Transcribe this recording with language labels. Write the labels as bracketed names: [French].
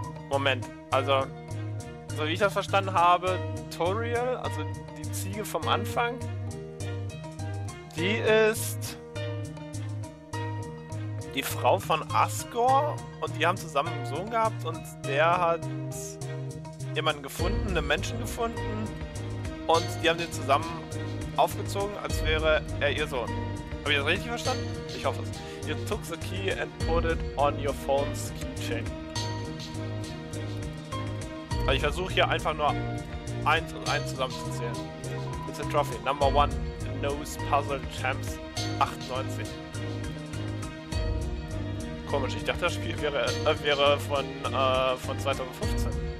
[German] Moment, also, so wie ich das verstanden habe, Toriel, also die Ziege vom Anfang, die ist die Frau von Asgore und die haben zusammen einen Sohn gehabt und der hat jemanden gefunden, einen Menschen gefunden und die haben den zusammen aufgezogen, als wäre er ihr Sohn. Habe ich das richtig verstanden? Ich hoffe es. [English] You took the key and put it on your phone's keychain. [German] Also ich versuche hier einfach nur eins und eins zusammenzuzählen. [English] It's a trophy. Number one. Nose Puzzle Champs 98. [German] Komisch, ich dachte, das Spiel wäre von 2015.